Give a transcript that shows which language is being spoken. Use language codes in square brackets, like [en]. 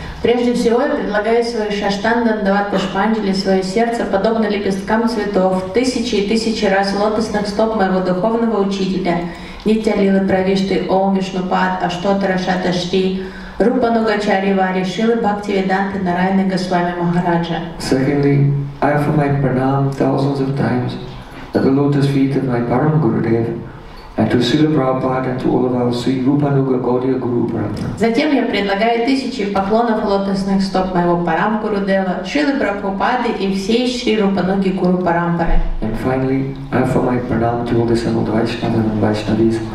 [ru] Прежде всего я предлагаю свою шаштанду отдавать Пушпанджали, свое сердце, подобно лепесткам цветов, тысячи и тысячи раз лотосных стоп моего духовного учителя. [sa] Nityalila Pravishta Om Vishnu Bhara Ashtotara Satasvi [en] Secondly, I offer my pranam thousands of times at the lotus feet of my Param Gurudev and to Srila Prabhupada and to all of our Sri Rupanuga Gaudiya Guru Parampara. [ru] Затем я предлагаю тысячи поклонов лотосных стоп моего Парам Гурудева, Шрилы Прабхупады и всей Шри Рупануги Гуру Парампары. [en] And finally, I offer my pranam to all the Sangha Vaishnava and Vaishnavis.